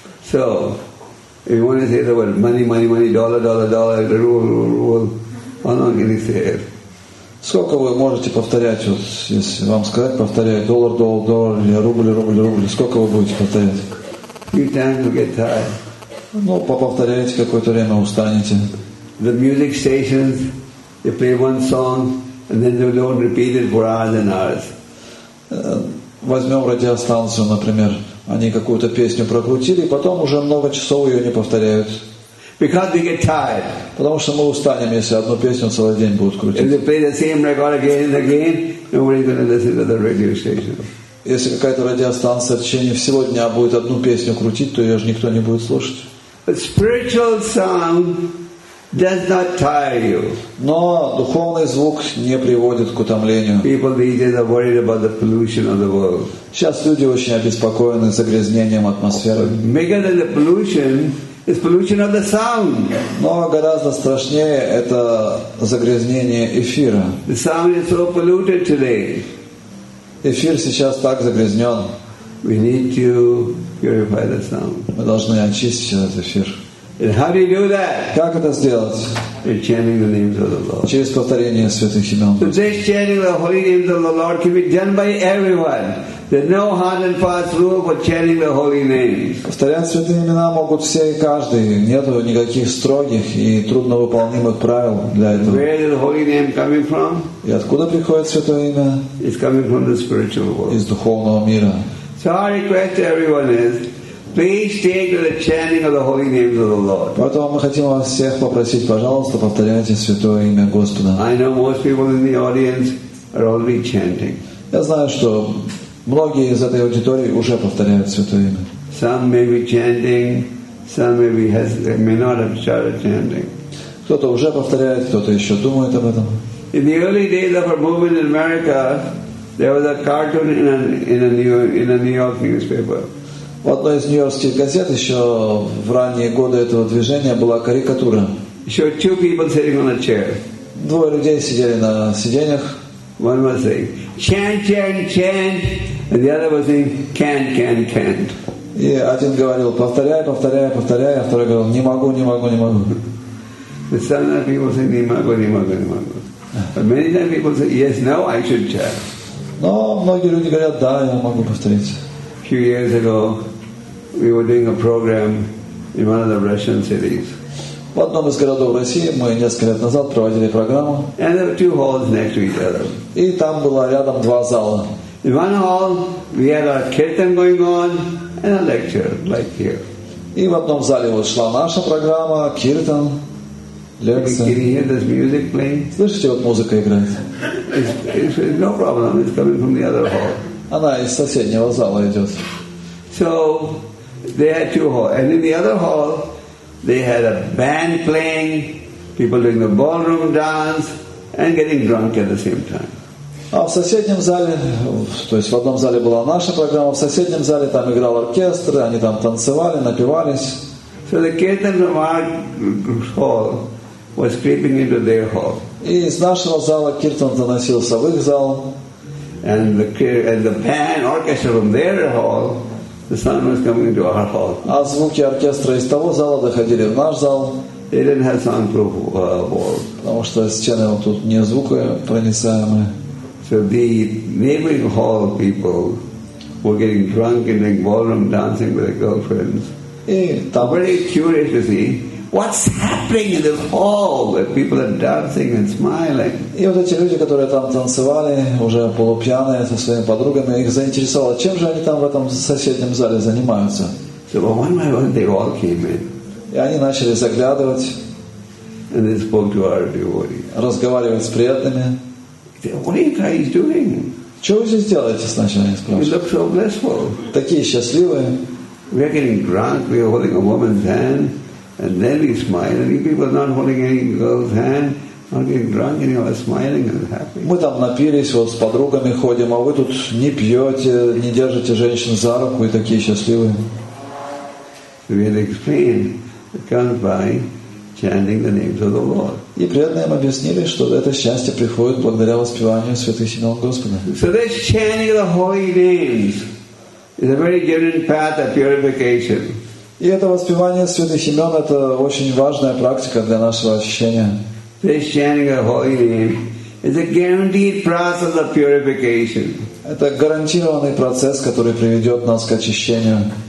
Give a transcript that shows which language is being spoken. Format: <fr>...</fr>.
<en>So if you want to say the word money, money, money, dollar, dollar, dollar, rule, rule, rule, how long can you say it?</en> <ru>Сколько вы можете повторять, вот, если вам сказать, повторяй доллар, доллар, доллар, или рубль, рубль, рубль, сколько вы будете повторять?</ru> <en>Few times you get tired.</en> <ru>Ну, поповторяйте какое-то время, устанете.</ru> <en>The music stations, they play one song, and then they don't repeat it for hours and hours.</en> <ru>Возьмем радиостанцию, например. Они какую-то песню прокрутили, и потом уже много часов ее не повторяют.</ru> <en>Because they get tired.</en> <ru>Потому что мы устанем, если одну песню целый день будут крутить.</ru> <en>If they play the same record again and again, nobody is going to listen to the radio station.</en> <ru>Если какая-то радиостанция в течение всего дня будет одну песню крутить, то ее же никто не будет слушать.</ru> <en>A spiritual sound does not tire you.</en> <ru>Но духовный звук не приводит к утомлению.</ru> <en>People these days are worried about the pollution of the world.</en> <ru>Сейчас люди очень обеспокоены загрязнением атмосферы.</ru> <en>Bigger than the pollution is pollution of the sound.</en> <ru>Но гораздо страшнее это загрязнение эфира.</ru> <en>The sound is so polluted today.</en> <ru>Эфир сейчас так загрязнен.</ru> <en>We need to purify the sound.</en> <ru>Мы должны очистить этот эфир.</ru> <en>And how do you do that?</en> <ru>Как это сделать?</ru> <en>In chanting the names of the Lord.</en> <ru>Через повторение святых имен.</ru> <en>So this chanting the holy names of the Lord can be done by everyone. There's no hard and fast rule for chanting the holy names.</en> <ru>Повторять святые имена могут все и каждый. Нет никаких строгих и трудновыполнимых правил для этого.</ru> <en>Where is the holy name coming from?</en> <ru>И откуда приходит святое имя?</ru> <en>It's coming from the spiritual world.</en> <ru>Из духовного мира.</ru> <en>So our request to everyone is, please take to the chanting of the holy names of the Lord.</en> <ru>Поэтому мы хотим вас всех попросить, пожалуйста, повторяйте святое имя Господа.</ru> <en>I know most people in the audience are already chanting.</en> <ru>Я знаю, что многие из этой аудитории уже повторяют святое имя.</ru> <en>Some may be chanting, some may not have started chanting.</en> <ru>Кто-то уже повторяет, кто-то еще думает об этом.</ru> <en>In the early days of our movement in America, there was a cartoon in a New York newspaper.</en> <ru>В одной из нью-йоркских газет еще в ранние годы этого движения была карикатура.</ru> <en>Show two people sitting on a chair.</en> <ru>Двое людей сидели на сиденьях.</ru> <en>One was saying, chant, chant, chant. And the other was saying, can't, can't, can't.</en> <ru>И один говорил, повторяй, повторяй, повторяй. А второй говорил, не могу, не могу, не могу.</ru> <en>The other people say,</en> <ru>не могу, не могу, не могу.</ru> <en>But many times people say, yes, no, I should chant.</en> <ru>Но многие люди говорят, да, я могу повторить.</ru> <en>A few years ago, we were doing a program in one of the Russian cities.</en> <ru>В одном из городов России мы несколько лет назад проводили программу.</ru> <en>And there were two halls next to each other.</en> <ru>И там было рядом два зала.</ru> <en>In one hall we had a kirtan going on and a lecture like here.</en> <ru>И в одном зале вот шла наша программа киртан.</ru> <en>Can you hear this music playing?</en> <ru>Слышите, вот музыка играет.</ru> <en>It's no problem. It's coming from the other hall.</en> <ru>Она из соседнего зала идет.</ru> <en>So they had two halls, and in the other hall they had a band playing, people doing the ballroom dance, and getting drunk at the same time.</en> <ru>А в соседнем зале, то есть в одном зале была наша программа, в соседнем зале там играл оркестр, они там танцевали, напивались.</ru> <en>So the kirtan from our hall was creeping into their hall.</en> <ru>И из нашего зала киртан заносился в их зал.</ru> <en>And the band orchestra from their hall, the sound was coming into our hall.</en> <ru>А звуки оркестра из того зала доходили в наш зал.</ru> <en>They didn't have soundproof wall.</en> <ru>Потому что стены вот тут не звукопроницаемые.</ru> <en>So the neighboring hall people were getting drunk and in ballroom dancing with their girlfriends.</en> <ru>И там</ru> <en>very curious to see what's happening in this hall where people are dancing and smiling.</en> <ru>И вот эти люди, которые там танцевали уже полупьяные со своими подругами, их заинтересовало, чем же они там в этом соседнем зале занимаются.</ru> <en>So one by one they all came in.</en> <ru>И они начали заглядывать.</ru> <en>And they spoke to our devotees.</en> <ru>Разговаривать с преданными.</ru> <en>What are you guys doing?</en> <ru>Что вы здесь делаете, сначала я спрашиваю.</ru> <en>You look so blissful.</en> <ru>Такие счастливые.</ru> <en>We are getting drunk, we are holding a woman's hand, and then we smile. And you people are not holding any girl's hand, not getting drunk, and you are smiling and happy.</en> <ru>Мы там напились, вот с подругами ходим, а вы тут не пьете, не держите женщин за руку, и такие счастливые.</ru> <en>We had explained, it comes by chanting the names of the Lord.</en> <ru>И преданные им объяснили, что это счастье приходит благодаря воспеванию святых имен Господа.</ru> <en>So this chanting of the holy names is a very genuine path of purification.</en> <ru>И это воспевание святых имен — это очень важная практика для нашего очищения.</ru> <en>This chanting of the holy name is a guaranteed process of purification.</en> <ru>Это гарантированный процесс, который приведет нас к очищению.</ru>